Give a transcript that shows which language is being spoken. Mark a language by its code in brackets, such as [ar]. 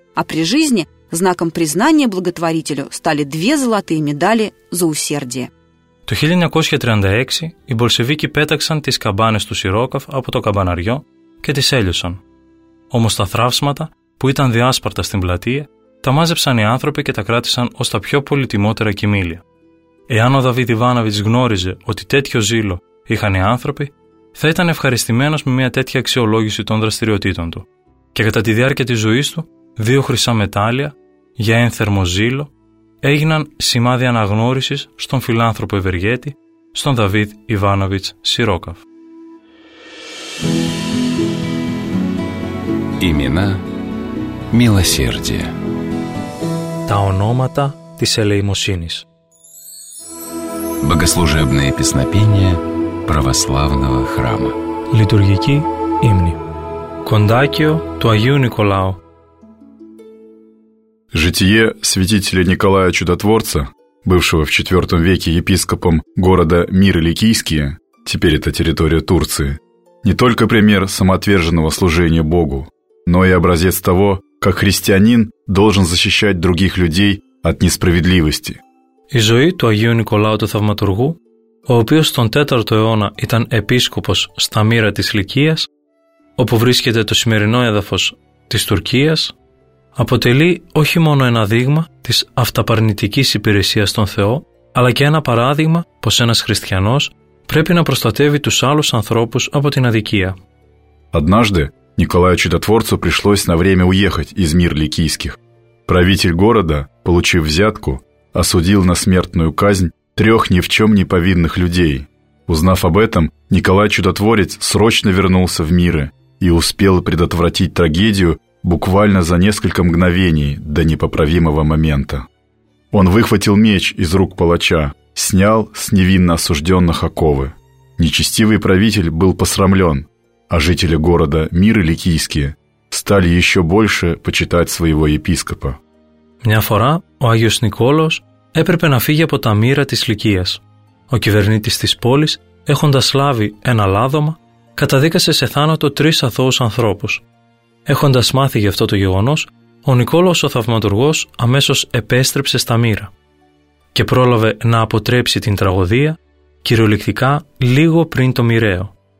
[ru] А при жизни знаком признания благотворителю стали две золотые медали за усердие. [el] Το 1936 οι Μπολσεβίκοι πέταξαν τις καμπάνες του Σιρόκαφ από το καμπαναριό και τις έλειωσαν. Όμως τα θράψματα που ήταν διάσπαρτα στην πλατεία τα μάζεψαν οι άνθρωποι και τα κράτησαν ως τα πιο πολυτιμότερα κοιμήλια. Εάν ο Δαβίδ Ιβάνοβιτς γνώριζε ότι τέτοιο ζήλο είχαν οι άνθρωποι, θα ήταν ευχαριστημένος με μια τέτοια αξιολόγηση των δραστηριοτήτων του. Και κατά τη διάρκεια της ζωής του, δύο χρυσά μετάλλια για ένθερμο ζήλο έγιναν σημάδι αναγνώρισης στον φιλάνθρωπο ευεργέτη, στον Δαβίδ Ιβάνοβιτς Σιρόκαφ. [ru] Имена, милосердие. [el] Τα ονόματα της ελεημοσύνης. [ru] Богослужебные песнопения православного храма. [el] Λειτουργική ύμνη. Κοντάκιο του Αγίου Νικολάου. [ru] Житие святителя Николая Чудотворца, бывшего в IV веке епископом города Мир-Иликийские, теперь это территория Турции, не только пример самоотверженного служения Богу, но и образец того, как христианин должен защищать других людей от несправедливости. [el] Η ζωή του Αγίου Νικολάου του Θαυματουργού, ο οποίος τον 4ο αιώνα ήταν επίσκοπος στα Μοίρα της Λυκίας, όπου βρίσκεται το σημερινό έδαφος της Τουρκίας, αποτελεί όχι μόνο ένα δείγμα της αυταπαρνητικής υπηρεσίας στον Θεό, αλλά και ένα παράδειγμα πως ένας χριστιανός πρέπει να προστατεύει τους άλλους ανθρώπους από την αδικία. [ru] Однажды Николаю Чудотворцу пришлось на время уехать из Мир Ликийских. Правитель города, получив взятку, осудил на смертную казнь трех ни в чем не повинных людей. Узнав об этом, Николай Чудотворец срочно вернулся в Миры и успел предотвратить трагедию буквально за несколько мгновений до непоправимого момента. Он выхватил меч из рук палача, снял с невинно осужденных оковы. Нечестивый правитель был посрамлен, а жители города Миры Ликийские стали еще больше почитать своего епископа. [el] Μια φορά ο Άγιος Νικόλαος έπρεπε να φύγει από τα Μοίρα της Λυκίας. Ο κυβερνήτης της πόλης, έχοντας λάβει ένα λάδωμα, καταδίκασε σε θάνατο τρεις αθώους ανθρώπους. Έχοντας μάθει γι' αυτό το γεγονός, ο Νικόλαος ο Θαυματουργός αμέσως επέστρεψε στα μοίρα και πρόλαβε να αποτρέψει την τραγωδία κυριολεκτικά λίγο πριν το μοιραίο.